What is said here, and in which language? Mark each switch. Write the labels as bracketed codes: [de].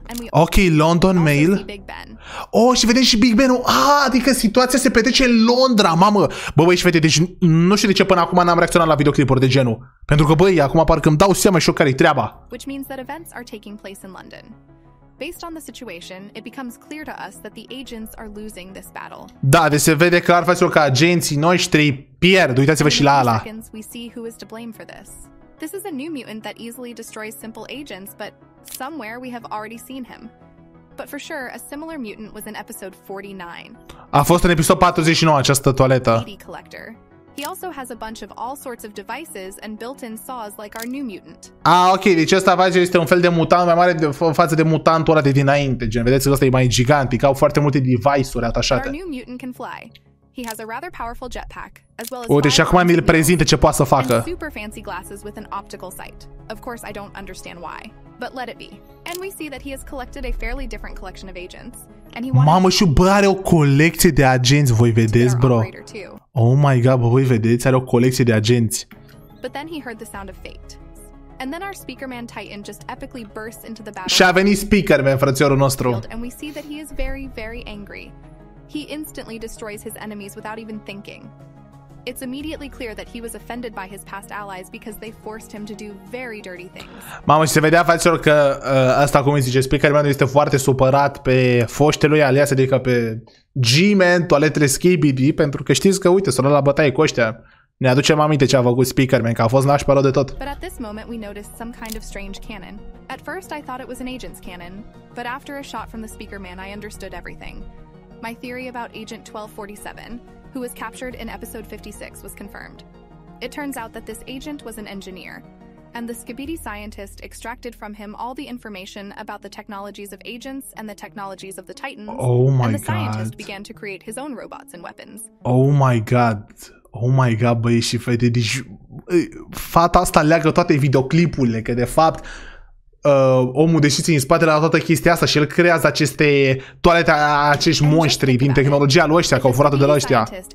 [ro] Ok, London Mail. Oh, și vedem și Big Ben-ul. Ah, adică situația se petrece în Londra, mamă. Bă, băi și fete, deci nu știu de ce până acum n-am reacționat la videoclipuri de genul. Pentru că, băi, acum parcă îmi dau seama și eu care-i treaba. [en] Which means that events are taking place in London. Based on the situation, it becomes clear to us that the agents are losing this battle. [ro] Da, de se vede clar faptul că agenții noștri pierd. Uitați-vă și la ala. [en] We see who is to blame for this. This is a new mutant that easily destroys simple agents, but somewhere we have already seen him. But for sure, a similar mutant was in episode 49. [ro] A fost în episodul 49 această toaletă. [en] He also has a bunch of all sorts of devices and built-in saws like our new mutant. [ro] Ah, ok, deci ăsta face este un fel de mutant mai mare față de mutantul ăla de dinainte, gen, vedeți că ăsta e mai gigantic, au foarte multe device-uri atașate. [en] Our new mutant can fly. He has a rather powerful jetpack, as well as... [ro] O, deci acum mi-l prezintă ce poate să facă. [en] Super fancy glasses with an optical sight. Of course, I don't understand why, but let it be. And we see that he has collected a fairly different collection of agents. [ro] Mamă, și bă, are o colecție de agenți, voi vedeți, bro. [en] Oh my god, [ro] bă, voi vedeți, are o colecție de agenți. [en] But then he heard the sound of fate. And then our speaker man Titan just epically burst into the battle. [ro] Și a venit speaker man, frățiorul nostru. [en] And we see that he is very, very angry. He instantly destroys his enemies without even thinking. It's immediately clear that he was offended by his past allies because they forced him to do very dirty things. [ro] Mamă, și se vedea, fraților, că asta cum îi zice, speakerman este foarte supărat pe foștele lui aliase, adică pe G-Man, toaletele SKIBIDI, pentru că știți că, uite, s-a luat la bătaie cu ăștia. Ne aducem aminte ce a făcut speakerman, că a fost nașpa rău de tot. [en] But at this moment we noticed some kind of strange cannon. At first I thought it was an agent's cannon, but after a shot from the speakerman I understood everything. My theory about agent 1247... who was captured in episode 56 was confirmed. It turns out that this agent was an engineer, and the SKIBIDI scientist extracted from him all the information about the technologies of agents and the technologies of the Titans. Oh my god. And the scientist god. Began to create his own robots and weapons. Oh my god. Oh my god, [ro] băi, și fete, deci fata asta leagă toate videoclipurile, că de fapt omul deși ține în spatele la toată chestia asta și el creează aceste toalete, acești monștri din tehnologia lui ăștia, că au furat-o de la ăștia.